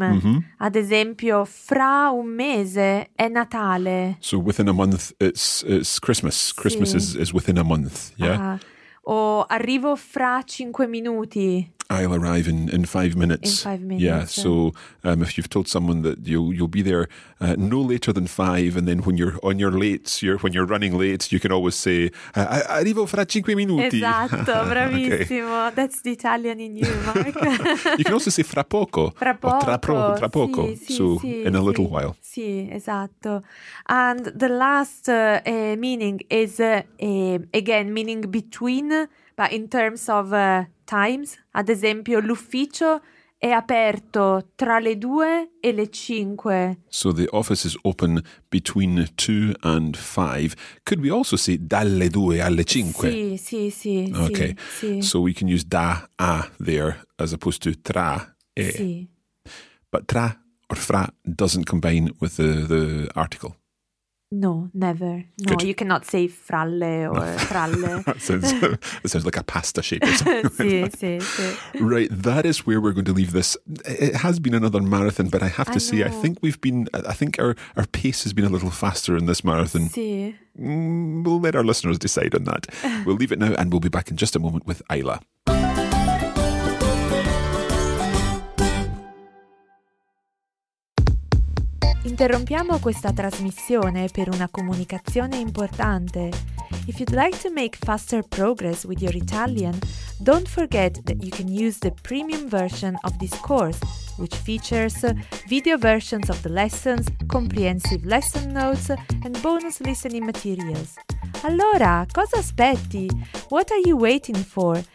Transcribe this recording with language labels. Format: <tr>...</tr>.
<it>Mm-hmm. Ad esempio, fra un mese è Natale.</it> <en>So within a month, it's Christmas. Sì. Christmas is within a month, yeah?</en> <it>O arrivo fra 5 minuti.</it> <en>I'll arrive in 5 minutes. In 5 minutes. Yeah, so if you've told someone that you'll be there no later than five, and then when you're on your late, when you're running late, you can always say,</en> <it>arrivo fra 5 minuti. Esatto, bravissimo. Okay.</it> <en>That's the Italian in you, Mark. You can also say fra poco.</en> <it>Fra poco. Tra poco. Sì,</it> <en>so</en> <it>sì,</it> <en>in a</en> <it>sì.</it> <en>Little while.</en> <it>Sì, esatto.</it> <en>And the last meaning is, again, meaning between, but in terms of times,</en> <it>ad esempio, l'ufficio è aperto tra le 2 e le 5.</it> <en>So the office is open between 2 and 5. Could we also say</en> <it>dalle 2 alle 5? Sì, sì, sì.</it> <en>Okay,</en> <it>sì.</it> <en>So we can use da, a there as opposed to tra, e.</en> <it>Sì.</it> <en>But tra or fra doesn't combine with the article. No, never. No, good. You cannot say fralle or no.</en> <it>Fralle.</it> <en>It sounds like a pasta shape or something. like</en> <it>sì, sì.</it> <en>Right, that is where we're going to leave this. It has been another marathon, but I have to say, I think our pace has been a little faster in this marathon.</en> <it>Sì.</it> <en>We'll let our listeners decide on that. We'll leave it now and we'll be back in just a moment with Ayla.</en> <it>Interrompiamo questa trasmissione per una comunicazione importante.</it> <en>If you'd like to make faster progress with your Italian, don't forget that you can use the premium version of this course, which features video versions of the lessons, comprehensive lesson notes, and bonus listening materials.</en> <it>Allora, cosa aspetti?</it> <en>What are you waiting for?</en>